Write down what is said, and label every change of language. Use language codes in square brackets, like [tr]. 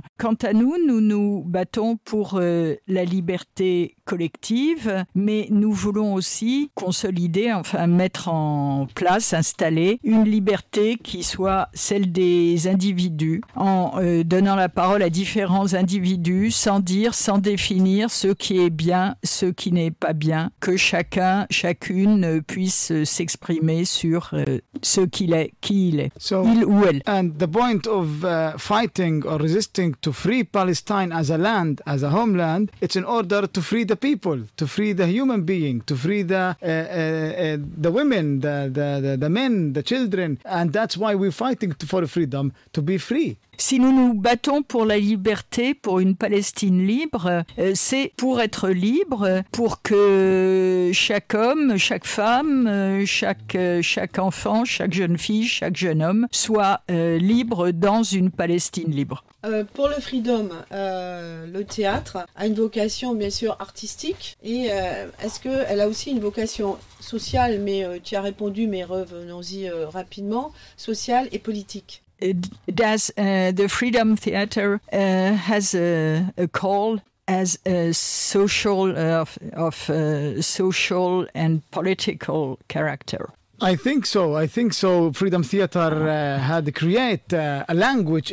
[fr] Quant à nous, nous battons pour la liberté collective, mais nous voulons aussi consolider, enfin mettre en place, installer une liberté qui soit celle des individus, en donnant la parole à différents individus, sans dire, sans définir ce qui est bien, ce qui n'est pas bien, que chacun, chacune puisse s'exprimer sur ce qu'il est, qui il est, [en] so, [fr] il ou elle. [en] And the point of fighting or resisting to free Palestine Palestine as a land, as a homeland, it's in order to free the people, to free the human being, to free the women, the men, the children. And that's why we're fighting for freedom, to be free. [fr] Si nous nous battons pour la liberté, pour une Palestine libre, c'est pour être libre, pour que chaque homme, chaque femme, chaque enfant, chaque jeune fille, chaque jeune homme soit libre dans une Palestine libre. Pour le Freedom, le théâtre a une vocation bien sûr artistique et est-ce qu'elle a aussi une vocation sociale, mais tu as répondu, mais revenons-y rapidement, sociale et politique? [en] Does the Freedom Theatre has a call as a social of social and political character? I think so. I think so. Freedom Theater had create a language.